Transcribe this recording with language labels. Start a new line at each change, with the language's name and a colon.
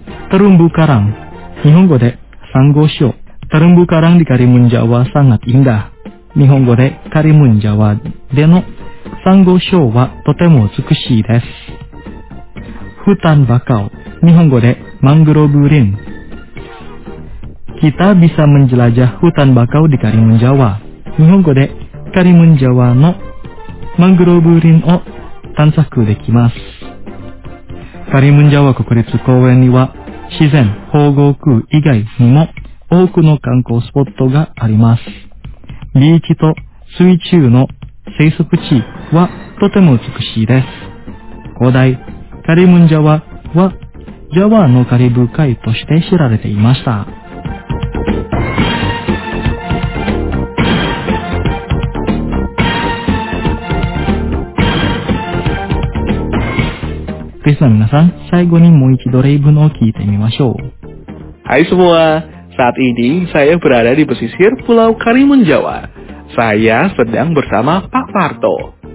Japanese: タルンブカラン、日本語でサンゴ礁。タルンブカランでカリムンジャワサンガインダ、日本語でカリムンジャワでのサンゴ礁はとても美しいです。フタンバカオ、日本語でマングローブリン。
Indonesian: Kita bisa menjelajah hutan bakau di Karimun Jawa.
Japanese: 日本語でカリムンジャワのマングローブリンを探索できます。カリムンジャワ国立公園には自然保護区以外にも多くの観光スポットがあります。ビーチと水中の生息地はとても美しいです。広大カリムンジャワはジャワのカリブ海として知られていました。リスナー皆さん、最後にもう一度例文を聞いてみましょう。はい、semua.
Indonesian: Saat ini saya berada di pesisir Pulau Karimun Jawa. Saya sedang bersama Pak Parto.